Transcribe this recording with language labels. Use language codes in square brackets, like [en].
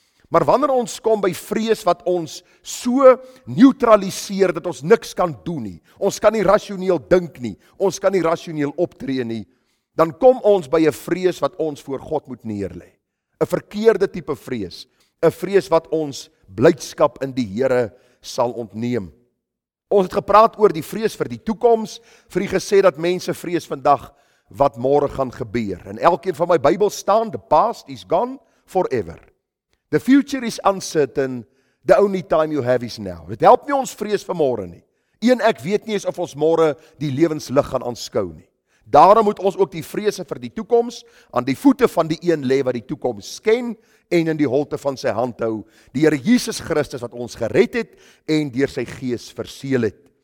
[af] Maar wanneer ons kom by vrees wat ons so neutraliseer dat ons niks kan doen nie, ons kan nie rationeel dink nie, ons kan nie rationeel optree nie, dan kom ons by 'n vrees wat ons voor God moet neerlê. 'N verkeerde tipe vrees, 'n vrees wat ons blydskap in die Here sal ontneem. Ons het gepraat oor die vrees vir die toekoms, vir die gesê dat mense vrees vandag wat môre gaan gebeur. En elkeen van my Bybel staan, [en] the past is gone forever. The future is uncertain, the only time you have is now. [af] Dit help nie ons vrees vir môre nie. Een, ek weet nie eens of ons môre die lewenslig gaan aanskou nie. Daarom moet ons ook die vrese vir die toekoms aan die voete van die een lê wat die toekoms ken en in die holte van sy hand hou, die Here Jesus Christus wat ons gered het en deur sy gees verseël het.